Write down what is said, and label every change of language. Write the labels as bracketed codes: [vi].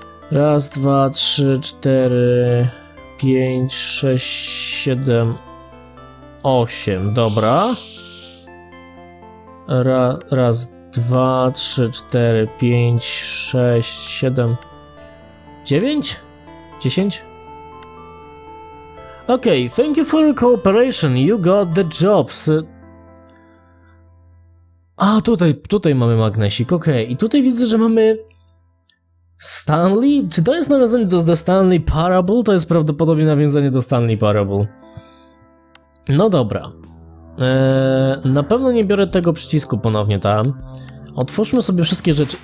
[pl] Raz, dwa, trzy, cztery, pięć, sześć, siedem, osiem, dobra. Raz, dwa, trzy, cztery, pięć, sześć, siedem, dziewięć? Dziesięć? [en] Okej, okay, thank you for your cooperation, you got the jobs. [pl] A, tutaj mamy magnesik, okej. Okay. I tutaj widzę, że mamy... Stanley? Czy to jest nawiązanie do The Stanley Parable? To jest prawdopodobnie nawiązanie do Stanley Parable. No dobra. Na pewno nie biorę tego przycisku ponownie tam. Otwórzmy sobie wszystkie rzeczy.